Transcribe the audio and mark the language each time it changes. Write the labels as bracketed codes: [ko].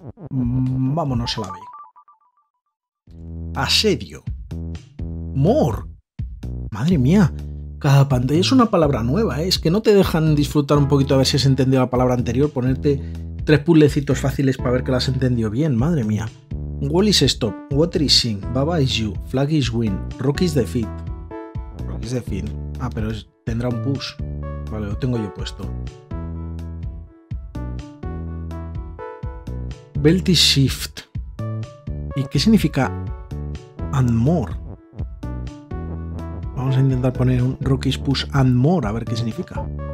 [es] Vámonos a la B. Asedio. More. Madre mía. Cada pantalla es una palabra nueva, ¿eh? Es que no te dejan disfrutar un poquito a ver si has entendido la palabra anterior. Ponerte tres puzzlecitos fáciles para ver que la has entendido bien. Madre mía. [en] Wall is stop, water is sink, baba is you, flag is win, rock is defeat. Rock is defeat. [es] Ah, pero es, tendrá un push. Vale, lo tengo yo puesto. [en] Belt is shift. [es] ¿Y qué significa? [en] And more. [es] Vamos a intentar poner un [en] rock is push and more, [es] a ver qué significa.